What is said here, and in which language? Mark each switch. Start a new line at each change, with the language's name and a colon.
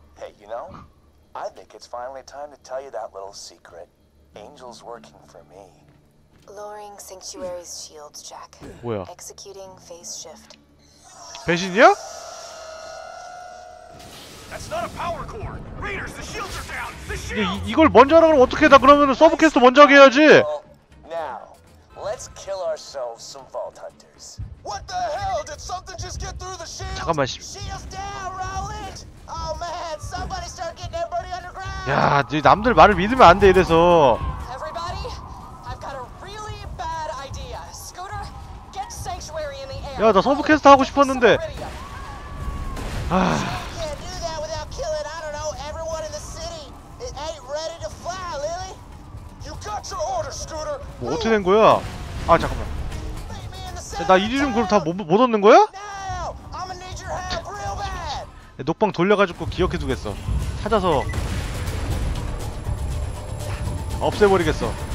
English: Hey, you know, I think it's finally time to tell you that little secret. Angel's working for me. Lowering Sanctuary's shields, Jack.
Korean: 뭐야?
English: Executing phase shift.
Korean: 배신이야?
English: That's not a power core. Raiders, the shields are down. The shields.
Korean: 이걸 먼저 하라고 어떻게 다 그러면은 서브 퀘스트 먼저 하게 해야지.
English: Now, let's kill ourselves some vault hunters. What the hell? Did something just get through the shield?
Korean: 잠깐만.
English: Shields down, Rowland. Oh man, somebody start getting everybody underground.
Korean: 야, 이 남들 말을 믿으면 안 돼 이래서.
English: Everybody, I've got a really bad idea. Scooter, get Sanctuary in the air.
Korean: 야, 나 서브 퀘스트 하고 싶었는데. 아.
English: Can't do that without killing. I don't know everyone in the city. It ain't ready to fly, Lily. You got your order, Scooter.
Korean: 뭐 어떻게 된 거야? 아, 잠깐만. 나 이리 좀 그럼 다 못 얻는 거야? 녹방 돌려가지고 기억해 두겠어. 찾아서 없애버리겠어.